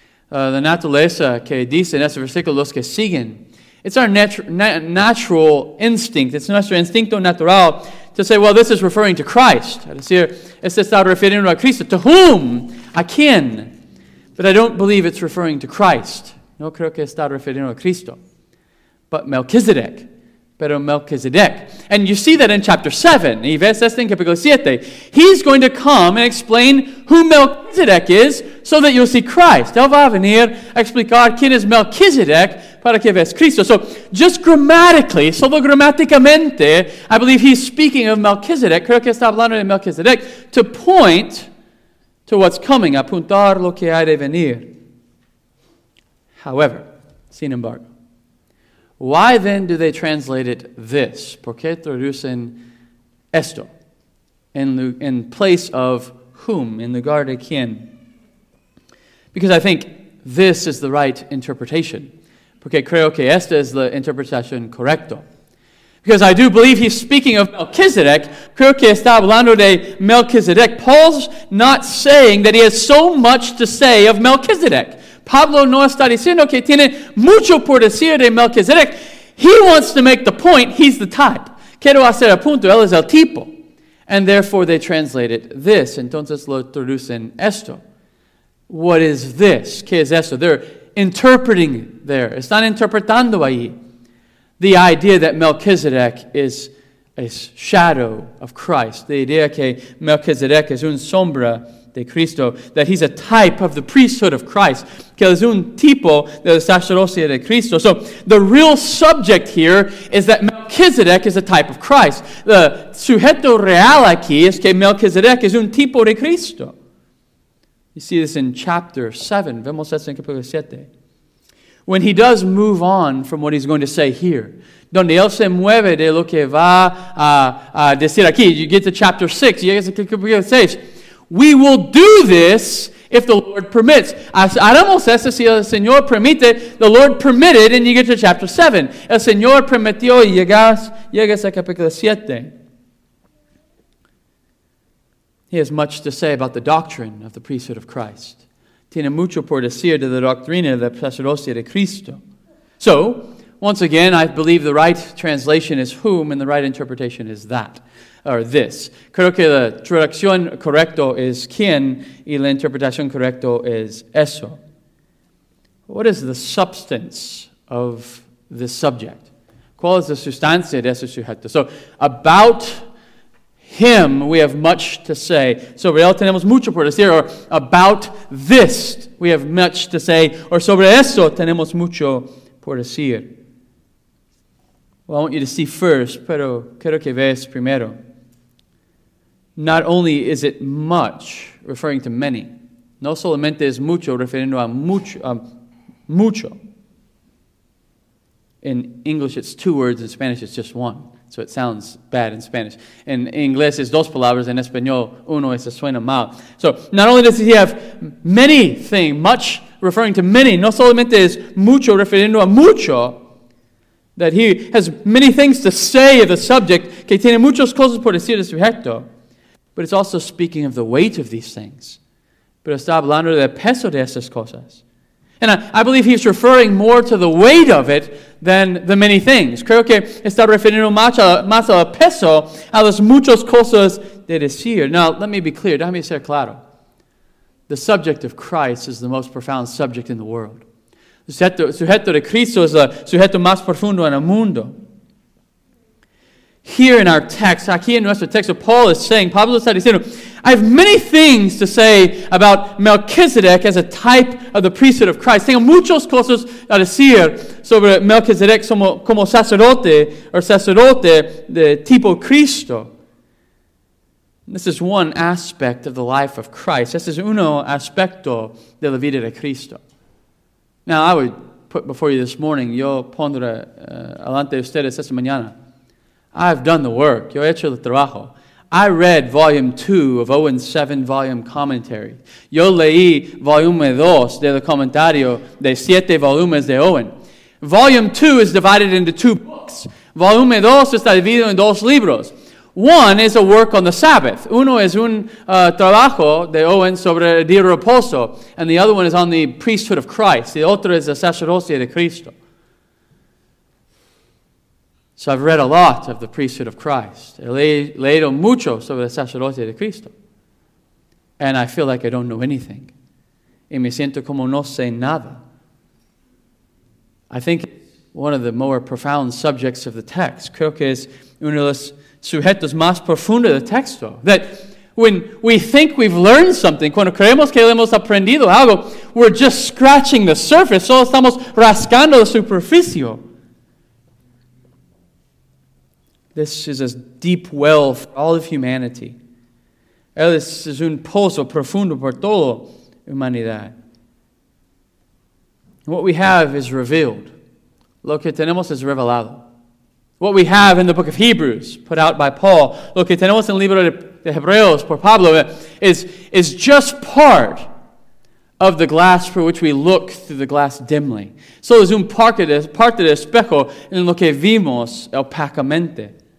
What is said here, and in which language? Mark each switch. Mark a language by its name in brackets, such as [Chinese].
[Spanish] La naturaleza que dice en este versículo los que siguen. [English] It's our natural instinct. It's [Spanish] nuestro instinto natural [English] to say, well, this is referring to Christ. [Spanish] Es decir, este está refiriendo a Cristo. [English] To whom? [Spanish] A quién? [English] But I don't believe it's referring to Christ. [Spanish] No creo que está refiriendo a Cristo. [English] But Melchizedek, [Spanish] pero Melchizedek. [English] And you see that in chapter 7. [Spanish] Y ves esto en capítulo 7. [English] He's going to come and explain who Melchizedek is so that you'll see Christ. [Spanish] Él va a venir a explicar quién es Melchizedek para que veas Cristo. [English] So just grammatically, [Spanish] solo gramaticamente, [English] I believe he's speaking of Melchizedek. [Spanish] Creo que está hablando de Melchizedek [English] to point to what's coming, [Spanish] apuntar lo que ha de venir. [English] However, [Spanish] sin embargo, [English] why then do they translate it this? [Spanish] ¿Por qué traducen esto? [English] In place of whom? [Spanish] In lugar de quién? [English] Because I think this is the right interpretation. [Spanish] Porque creo que esta es la interpretación correcta. [English] Because I do believe he's speaking of Melchizedek. [Spanish] Creo que está hablando de Melchizedek. [English] Paul's not saying that he has so much to say of Melchizedek. [Spanish] Pablo no está diciendo que tiene mucho por decir de Melchizedek. [English] He wants to make the point. He's the type. [Spanish] Quiero hacer el punto. Él es el tipo. [English] And therefore they translate it this. [Spanish] Entonces lo traducen esto. [English] What is this? ¿Qué es esto? They're interpreting there. [Spanish] Están interpretando ahí. [English] The idea that Melchizedek is a shadow of Christ. The idea [Spanish] que Melchizedek es un sombra de Cristo, [English] that he's a type of the priesthood of Christ, [Spanish] que es un tipo de la sacerdocia de Cristo. [English] So the real subject here is that Melchizedek is a type of Christ. [Spanish] The sujeto real aquí es que Melchizedek es un tipo de Cristo. [English] You see this in chapter 7. [Spanish] Vemos esto en capítulo 7. [English] When he does move on from what he's going to say here, [Spanish] donde él se mueve de lo que va a decir aquí, [English] you get to chapter 6, [Spanish] llegas a capítulo 6, [English] we will do this if the Lord permits. [Spanish] Haremos esto si el Señor permite. [English] The Lord permitted, and you get to chapter 7. [Spanish] El Señor permitió y llegas a capítulo 7. [English] He has much to say about the doctrine of the priesthood of Christ. [Spanish] Tiene mucho por decir de la doctrina de la sacerdocia de Cristo. [English] So, once again, I believe the right translation is whom, and the right interpretation is that, or this. [Spanish] Creo que la traducción correcta es quién, y la interpretación correcta es eso. [English] What is the substance of this subject? [Spanish] ¿Cuál es la sustancia de ese sujeto? [English] So, about him, we have much to say. [Spanish] Sobre él tenemos mucho por decir, [English] or about this, we have much to say, or [Spanish] sobre eso tenemos mucho por decir. [English] Well, I want you to see first, [Spanish] pero quiero que veas primero. [English] Not only is it much, referring to many. [Spanish] No solamente es mucho, refiriendo a mucho. [English] In English, it's two words. In Spanish, it's just one. So it sounds bad in Spanish. [Spanish] En inglés es dos palabras. En español, uno, eso suena mal. [English] So not only does he have many things, much referring to many, [Spanish] no solamente es mucho refiriendo a mucho, [English] that he has many things to say of the subject, [Spanish] que tiene muchas cosas por decir de sujeto, [English] but it's also speaking of the weight of these things. [Spanish] Pero está hablando del peso de esas cosas. [English] And I believe he's referring more to the weight of it than the many things. [Spanish] Creo que está refiriendo más a peso, a las muchas cosas de decir. [English] Now, let me be clear. [Spanish] Déjame ser claro. [English] The subject of Christ is the most profound subject in the world. [Spanish] Sujeto de Cristo es el sujeto más profundo en el mundo. [English] Here in our text, [Spanish] aquí en nuestro texto, Pablo está diciendo, [English] I have many things to say about Melchizedek as a type of the priesthood of Christ. [Spanish] Tengo muchas cosas a decir sobre Melchizedek como sacerdote o sacerdote de tipo Cristo. [English] This is one aspect of the life of Christ. [Spanish] Este es uno aspecto de la vida de Cristo. [English] Now, I would put before you this morning, [Spanish] yo pondré alante de ustedes esta mañana, [English] I've done the work. [Spanish] Yo he hecho el trabajo. [English] I read volume 2 of Owen's 7-volume commentary. [Spanish] Yo leí volume 2 del comentario de 7 volumes de Owen. [English] Volume 2 is divided into 2 books. [Spanish] Volume 2 está dividido en 2 libros. [English] One is a work on the Sabbath. [Spanish] Uno es un trabajo de Owen sobre el día de reposo. [English] And the other one is on the priesthood of Christ. [Spanish] The otro es la sacerdocia de Cristo. [English] So I've read a lot of the priesthood of Christ. [Spanish] He leído mucho sobre la sacerdocia de Cristo. [English] And I feel like I don't know anything. [Spanish] Y me siento como no sé nada. [English] I think it's one of the more profound subjects of the text. [Spanish] Creo que es uno de los sujetos más profundos del texto. [English] That when we think we've learned something, [Spanish] cuando creemos que hemos aprendido algo, [English] we're just scratching the surface. [Spanish] Solo estamos rascando la superficie. [English] This is a deep well for all of humanity. [Spanish] Él es un pozo profundo por toda humanidad. [English] What we have is revealed. [Spanish] Lo que tenemos es revelado. [English] What we have in the book of Hebrews, put out by Paul, [Spanish] lo que tenemos en el libro de Hebreos por Pablo, [English] is just part of the glass for which we look through the glass dimly. [Spanish] So es un parte del espejo en lo que vimos opacamente.